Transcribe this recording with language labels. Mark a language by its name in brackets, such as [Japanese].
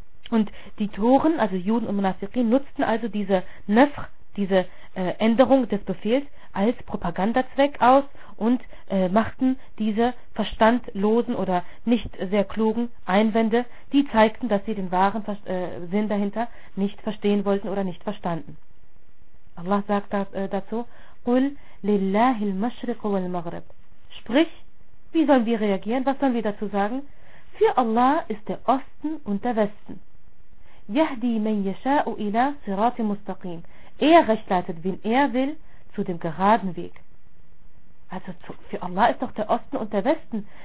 [German] Und die Toren, also Juden und Munafiqin, nutzten also diese Nafr, diese Änderung des Befehls, als Propagandazweck aus und machten diese verstandlosen oder nicht sehr klugen Einwände, die zeigten, dass sie den wahren Sinn dahinter nicht verstehen wollten oder nicht verstanden. Allah sagt dazu, [Arabic] قُلْ لِلَّهِ الْمَشْرِقُ وَالْمَغْرِبُ. [German] Sprich, wie sollen wir reagieren? Was sollen wir dazu sagen? Für Allah ist der Osten und der Westen. [Arabic] يَهْدِي مَنْ يَشَاءُ إِلَى صِرَاطِ مُسْتَقِيمِ. [German] Er rechtleitet, wen er will, zu dem geraden Weg. Also für Allah ist doch der Osten und der Westen.